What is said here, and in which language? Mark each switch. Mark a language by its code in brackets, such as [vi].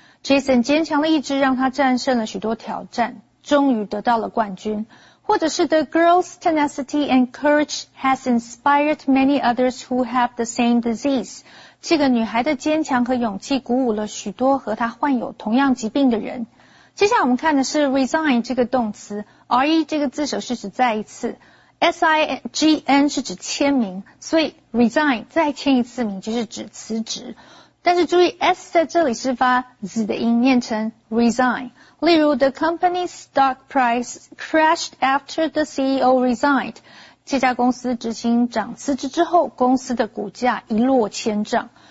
[zh] Jason 坚强的意志让他战胜了许多挑战，终于得到了冠军。或者是 [en] The girl's tenacity and courage has inspired many others who have the same disease. [zh] 这个女孩的坚强和勇气鼓舞了许多和她患有同样疾病的人。接下来我们看的是 resign 这个动词。RE 这个字首是指再一次。 SIGN 是指签名。所以 resign 再签一次名就是指辞职。但是注意 S 在这里是发 Z 的音念成 resign。例如 [en] The company's stock price crashed after the CEO resigned. [zh] 这家公司执行长辞职之后，公司的股价一落千丈。